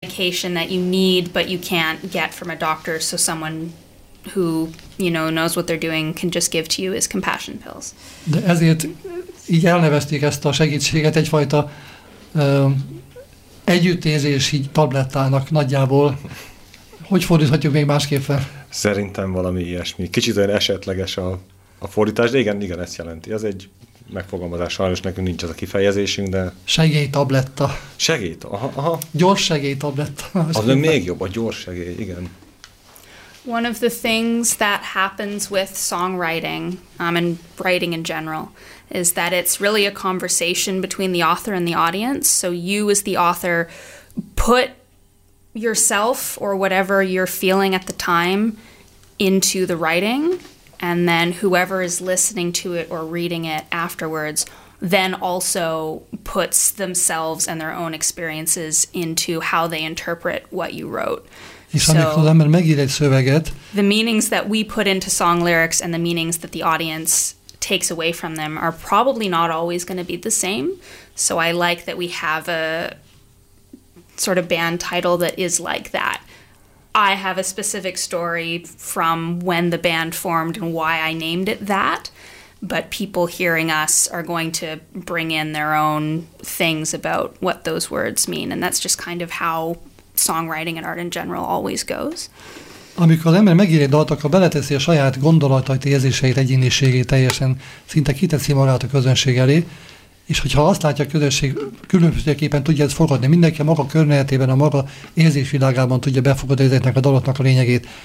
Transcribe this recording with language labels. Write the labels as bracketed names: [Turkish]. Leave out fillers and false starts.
[English] medication that you need but you can't get from a doctor, so someone who, you know, knows what they're doing can just give to you is compassion pills. [Hungarian] De ezért így elnevezték ezt a segítséget egyfajta együttérzési tablettának nagyjából. Hogy fordíthatjuk még másképp fel? Szerintem valami ilyesmi. Kicsit olyan esetleges a fordítás, de igen, igen, ezt jelenti. Ez egy megfogalmazás, sajnos nekünk nincs ez a kifejezésünk, de... Segélytabletta. Segélyt, aha. Gyors segélytabletta. Az nem még jobb, a gyors segély, igen. [English] One of the things that happens with songwriting, and writing in general, is that it's really a conversation between the author and the audience. So you as the author put yourself or whatever you're feeling at the time into the writing, and then whoever is listening to it or reading it afterwards then also puts themselves and their own experiences into how they interpret what you wrote. [Hungarian] És amikor az ember megír egy szöveget, [English] the meanings that we put into song lyrics and the meanings that the audience takes away from them are probably not always going to be the same. So I like that we have a sort of band title that is like that. I have a specific story from when the band formed and why I named it that, but people hearing us are going to bring in their own things about what those words mean, and that's just kind of how songwriting and art in general always goes. [Hungarian] Amikor az ember megír egy dalt, akkor beleteszi a saját gondolatait, érzéseit, egyéniségét, teljesen szinte kiteszi magát a közönség elé. És hogyha azt látja a közösség, különbözőképpen tudja ezt fogadni, mindenki a maga környezetében, a maga érzésvilágában tudja befogadni ezeknek a dalatnak a lényegét.